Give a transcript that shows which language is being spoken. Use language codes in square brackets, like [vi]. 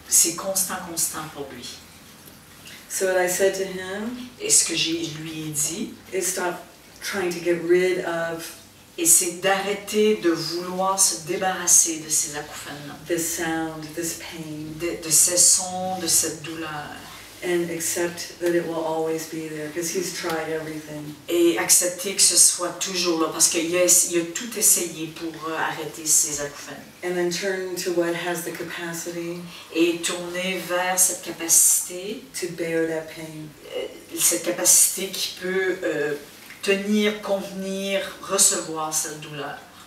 [fr] C'est constant pour lui. [en] So what I said to him, [fr] et ce que je lui ai dit, [en] is stop trying to get rid of, [fr] et c'est d'arrêter de vouloir se débarrasser de ces acouphènes-là, [en] this sound, this pain, [fr] de ces sons, de cette douleur, [en] and accept that it will always be there, because he's tried everything. [fr] Et accepter que ce soit toujours là, parce qu'il a tout essayé pour arrêter ces acouphènes. [en] And then turn to what has the capacity, [fr] et tourner vers cette capacité, [en] to bear that pain. [fr] Cette capacité qui peut tenir, contenir, recevoir cette douleur.